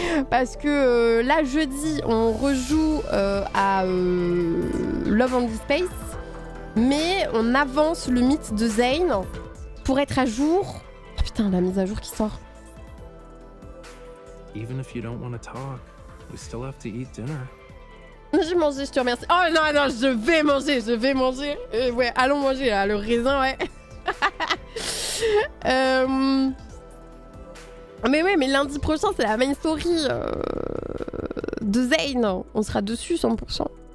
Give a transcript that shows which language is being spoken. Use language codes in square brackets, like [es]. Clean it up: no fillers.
[fr] Parce que là, jeudi, on rejoue à Love and Space. Mais on avance le mythe de Zayn pour être à jour. Oh putain, la mise à jour qui sort. [en] Even if you don't want to talk, we still have to eat dinner. [fr] J'ai mangé, je te remercie. Oh non, non, je vais manger, je vais manger. Ouais, allons manger, là, le raisin, ouais. Mais ouais, mais lundi prochain, c'est la main story de Zayn. On sera dessus, 100%.